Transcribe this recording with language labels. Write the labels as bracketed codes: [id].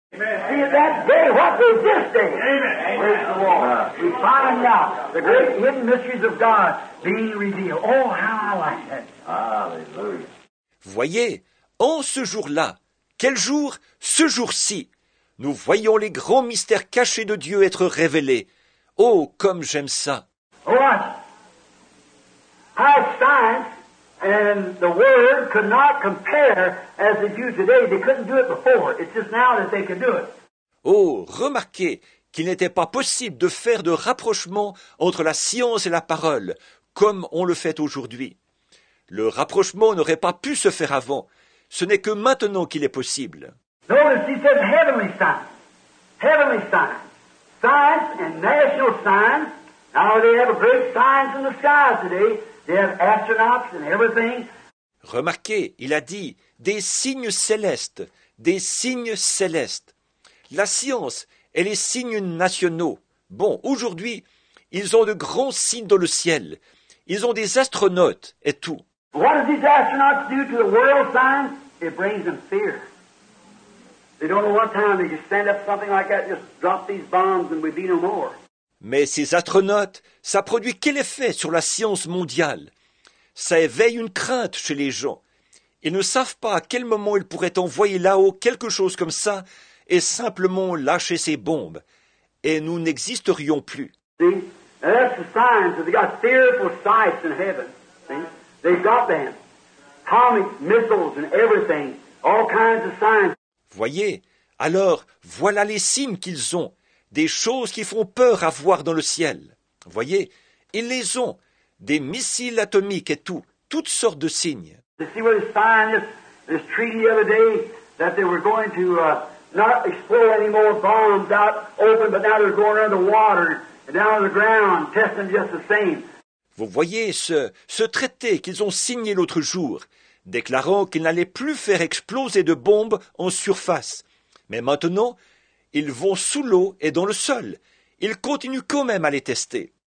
[en] Amen. See, that day, what is this day? Amen. Praise the Lord. We find out the great hidden mysteries of God being revealed. Oh, how I like that. Hallelujah. [fr] Voyez, en ce jour-là, quel jour? Ce jour-ci, nous voyons les grands mystères cachés de Dieu être révélés. Oh, comme j'aime ça. [en] Watch. How science and the Word could not compare as they do today. They couldn't do it before. It's just now that they can do it. [fr] Oh, remarquez qu'il n'était pas possible de faire de rapprochement entre la science et la parole, comme on le fait aujourd'hui. Le rapprochement n'aurait pas pu se faire avant. Ce n'est que maintenant qu'il est possible. [en] Notice, he says heavenly signs. Heavenly signs. Science and national signs. Now they have a great signs in the sky today. They have astronauts and everything. [fr] Remarquez, il a dit, des signes célestes. Des signes célestes. La science et les signes nationaux. Bon, aujourd'hui, ils ont de grands signes dans le ciel. Ils ont des astronautes et tout. [en] What do these astronauts do to the world signs? It brings them fear. They don't know what time they just stand up something like that, just drop these bombs and we'd be no more. [fr] Mais ces astronautes, ça produit quel effet sur la science mondiale? Ça éveille une crainte chez les gens. Ils ne savent pas à quel moment ils pourraient envoyer là-haut quelque chose comme ça et simplement lâcher ces bombes. et nous n'existerions plus. [en] See? That's the signs. They got fearful sights in heaven. See? They've got them. Atomic missiles and everything. All kinds of signs. [fr] Voyez, alors voilà les signes qu'ils ont, des choses qui font peur à voir dans le ciel. Voyez, ils les ont, des missiles atomiques et tout, toutes sortes de signes. [en] You see what it signed this treaty the other day that they were going to not explore any more bombs out open, but now they're going under water and down to the ground, testing just the same. [fr] Vous voyez ce traité qu'ils ont signé l'autre jour, déclarant qu'ils n'allaient plus faire exploser de bombes en surface. Mais maintenant, ils vont sous l'eau et dans le sol. Ils continuent quand même à les tester.